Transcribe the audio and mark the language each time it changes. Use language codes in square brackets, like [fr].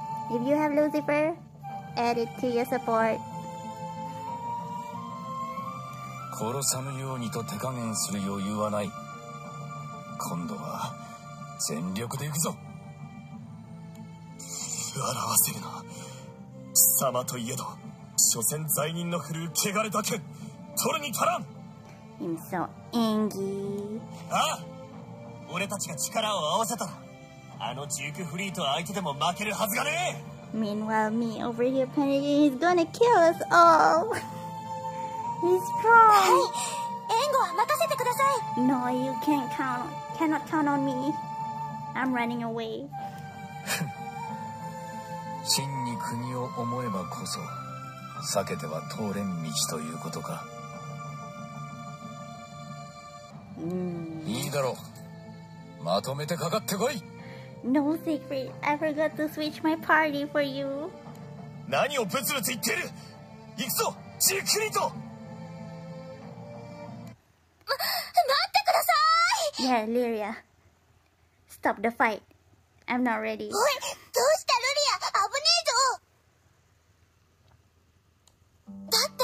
[en] If you have Lucifer, add it to your support. [ja] 殺さぬようにと手加減する余裕はない。今度は全力で行くぞ。笑わせるな。貴様といえど、所詮罪人の振るう汚れだけ。取るに足らん。 [en] I'm so angry. [ja] ああ、俺たちが力を合わせたら、あのジュークフリート相手でも負けるはずがねえ。 [en] Meanwhile, me over here panicking is gonna kill us all. He's strong. [ja] はい、援護は任せてください。 [en] No, you can't count. Cannot count on me. I'm running away. [ja] 真に国を思えばこそ、避けては通れん道ということか。いいだろう。まとめてかかってこい。 [en] No, Siegfried. I forgot to switch my party for you. [ja] 何をブツブツ言ってる。行くぞ、ジークリート。待ってください。 [en] Yeah, Lyria. Stop the fight. I'm not ready. [ja] おい、どうした、ルリア。危ねえぞ。